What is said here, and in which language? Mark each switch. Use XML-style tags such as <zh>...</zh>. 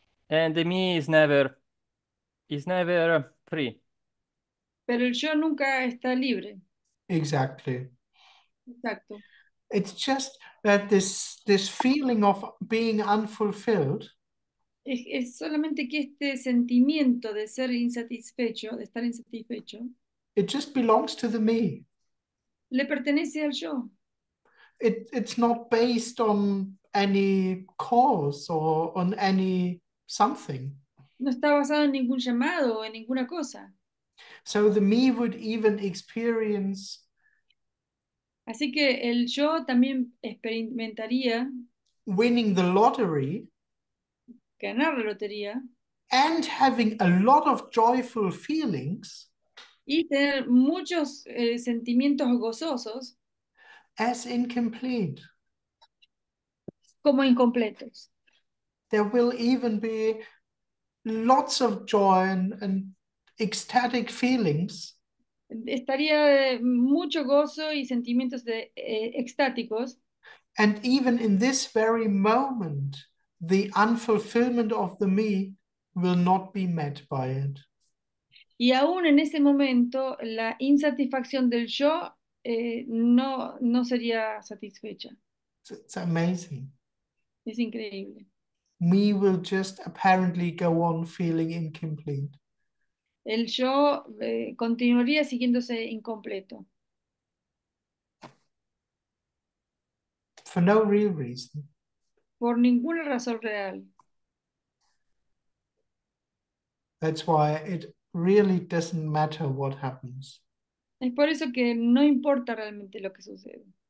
<en>And the me is never free.</en> <es>Pero el yo nunca está libre.</es> <en>Exactly.</en> <es>Exacto.</es> <en>It's just that this feeling of being unfulfilled.</en> <es>Es solamente que este sentimiento de ser insatisfecho, de estar insatisfecho.</es> <en>It just belongs to the me.</en> <es>Le pertenece al yo.</es> <en>It's not based on any cause or on any something.</en> <es>No está basado en ningún llamado o en ninguna cosa.</es> <en>So the me would even experience.</en> <es>Así que el yo también experimentaría</es> <en>winning the lottery,</en> <es>ganar la lotería,</es> <en>and having a lot of joyful feelings,</en> <es>y tener muchos sentimientos gozosos,</es> <en>as incomplete,</en> <es>como incompletos.</es> <en>There will even be lots of joy and ecstatic feelings.</en> <es>Estaría mucho gozo y sentimientos de extáticos.</es> <en>And even in this very moment, the unfulfillment of the me will not be met by it.</en> <es>Y aún en ese momento, la insatisfacción del yo no sería satisfecha.</es> <en>It's amazing.</en> <es>Es increíble.</es> <en>We will just apparently go on feeling incomplete.</en> <es>El yo continuaría sintiéndose incompleto.</es> <en>For no real reason.</en> <es>Por ninguna razón real.</es> <en>That's why it really doesn't matter what happens.</en> <es>Es por eso que no importa realmente lo que sucede.</es>